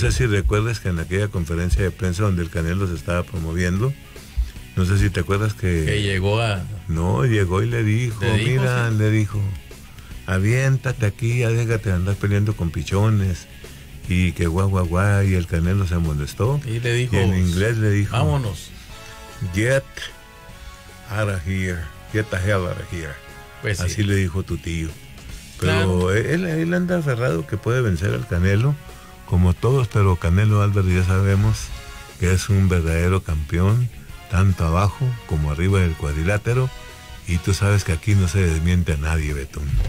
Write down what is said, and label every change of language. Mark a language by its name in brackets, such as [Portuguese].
[Spanish] Sé si recuerdas que en aquella conferencia de prensa donde el Canelo se estaba promoviendo, no sé si te acuerdas que... Que llegó a... No, llegó y le dijo, mira, ¿sí? Le dijo, aviéntate aquí, ya déjate andar peleando con pichones, y que guau, guau, guau, y el Canelo se molestó. Y le dijo... Y en inglés le dijo... Vámonos. [English] Get out of here. Get the hell out of here. [Spanish] Pues así sí. Le dijo tu tío. Pero claro. Él anda aferrado que puede vencer al Canelo, como todos, pero Canelo Álvarez ya sabemos que es un verdadero campeón, tanto abajo como arriba del cuadrilátero, y tú sabes que aquí no se desmiente a nadie, Betún.